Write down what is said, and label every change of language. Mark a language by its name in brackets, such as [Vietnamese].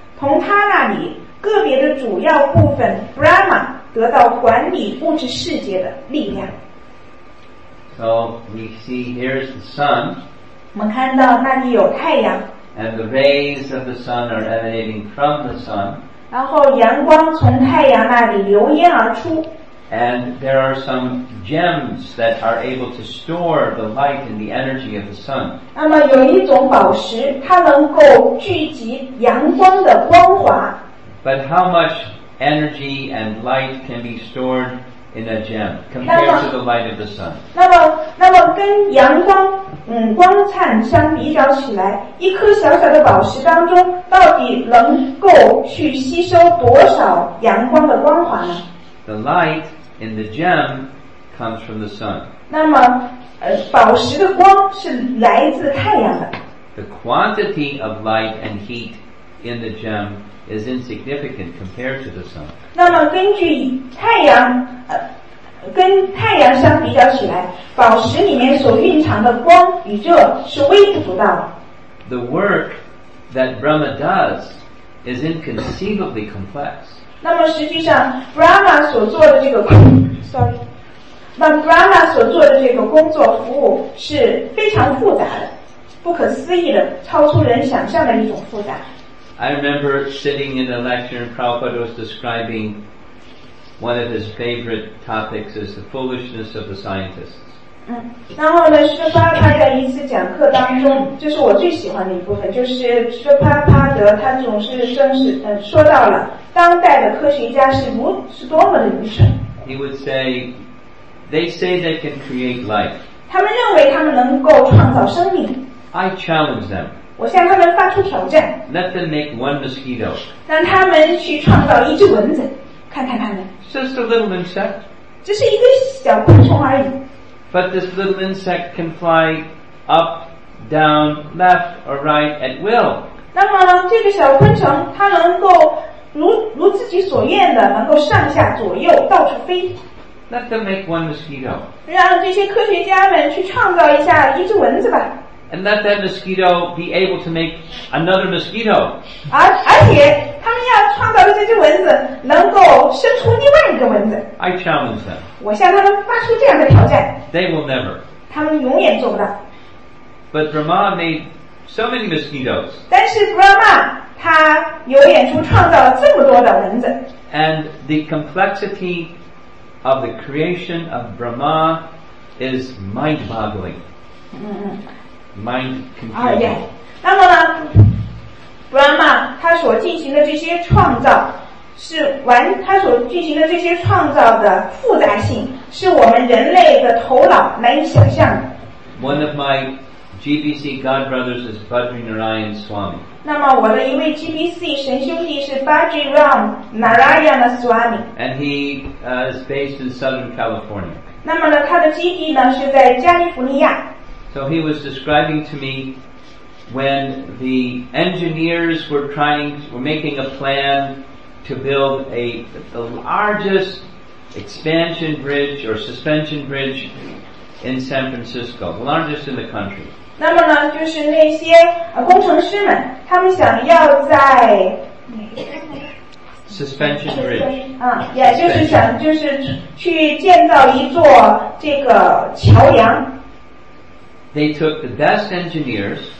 [Chinese] 从他那里，个别的主要部分 Brahma 得到管理物质世界的力量。 [English] So we see here's the sun. [Chinese] 我们看到那里有太阳。 [English] And the rays of the sun are emanating from the sun. [Chinese] 然后阳光从太阳那里流烟而出。 [English] And there are some gems that are able to store the light and the energy of the sun. [Chinese] 那么有一种宝石，它能够聚集阳光的光华。 [English] But how much energy and light can be stored in a gem compared to the light of the sun? [Chinese] 那么跟阳光光灿相比较起来，一颗小小的宝石当中到底能够去吸收多少阳光的光华呢？ [English] The light in the gem comes from the sun. [Chinese] 那么宝石的光是来自太阳的。 [English] The quantity of light and heat in the gem is insignificant compared to the sun. [Chinese] 那么根据太阳跟太阳相比较起来，宝石里面所蕴藏的光与热是微不足道。 [English] The work that Brahma does is inconceivably complex. [Chinese] 那么实际上 ，Brahma 所做的这个工 ， [English] sorry， [Chinese] 那 Brahma 所做的这个工作服务是非常复杂的、不可思议的、超出人想象的一种复杂。 [English] I remember sitting in a lecture, and Prabhupada was describing. One of his favorite topics is the foolishness of the scientists. [Chinese] 然后呢，释迦帕在一次讲课当中，这是我最喜欢的一部分，就是释迦帕德他总是正是说到了当代的科学家是多么的愚蠢。 [English] He would say, "They say they can create life." [Chinese] 他们认为他们能够创造生命。 [English] I challenge them. [Chinese] 我向他们发出挑战。 [English] Let them make one mosquito. [Chinese] 让他们去创造一只蚊子，看看他们。 [English] Just a little insect. [Chinese] 只是一个小昆虫而已。 [English] But this little insect can fly up, down, left, or right at will. [Chinese] 那么呢，这个小昆虫它能够如自己所愿的，能够上下左右到处飞。 [English] Let them make one mosquito. [Chinese] 让这些科学家们去创造一下一只蚊子吧。 [English] And let that mosquito be able to make another mosquito. [Chinese] 而且他们要创造的这只蚊子能够生出另外一个蚊子。 [English] I challenge them. [Chinese] 我向他们发出这样的挑战。 [English] They will never. [Chinese] 他们永远做不到。 [English] But Brahma made so many mosquitoes. [Chinese] 但是 Brahma 他有演出创造了这么多的蚊子。 [English] And the complexity of the creation of Brahma is mind-boggling. Mind-controlling. [Chinese] 那么呢 ，Brahma 他所进行的这些创造是完，他所进行的这些创造的复杂性是我们人类的头脑难以想象的。 [English] One of my GBC God brothers is Badrinarayan Swami. [Chinese] 那么我的一位 GBC 神兄弟是 Badrinarayan Swami. [English] And he is based in Southern California. [Chinese] 那么呢，他的基地呢是在加利福尼亚。 [English] So he was describing to me when the engineers were making a plan to build the largest expansion bridge or suspension bridge in San Francisco, the largest in the country. [Chinese] 那么呢，就是那些工程师们，他们想要在 [English] suspension bridge [Chinese] 也就是想就是去建造一座这个桥梁。 [English] They took the best engineers.